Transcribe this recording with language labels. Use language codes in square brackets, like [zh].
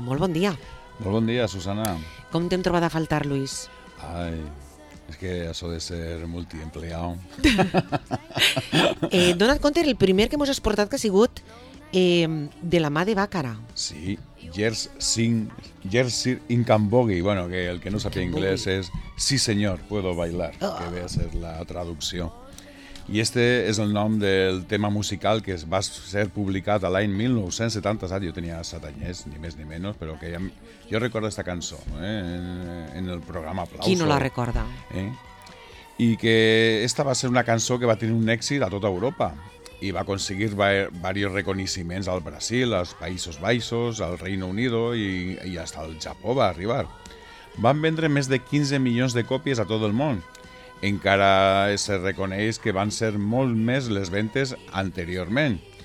[ca] Molt bon dia. Molt bon dia, Susana. Com t'hem trobat a faltar, Luis? Ai, és que això de ser multiempleado. Dona't compte, el primer que mos has portat que ha sigut de la mà de Bàcara. Sí, Jersey in Cambogi. [es] Bueno, que el que no sabe inglés es Sí señor, puedo bailar, que ve a ser la traducción. Y este es el nombre del tema musical que va a ser publicado [ca] l'any [es] 1970, ¿sabes? Yo tenía 7 años, ni más ni menos, pero que yo recuerdo esta canción en el programa Aplauso. ¿Quién no la recuerda? Y que esta va a ser una canción que va a tener un éxito a toda Europa. [ca] I va aconseguir varios reconeixements al Brasil, als Països Baixos, al Reino Unido i fins al Japó va arribar. Van vendre més de 15 milions de còpies a tot el món. Encara se reconeix que van ser molt més les ventes anteriorment.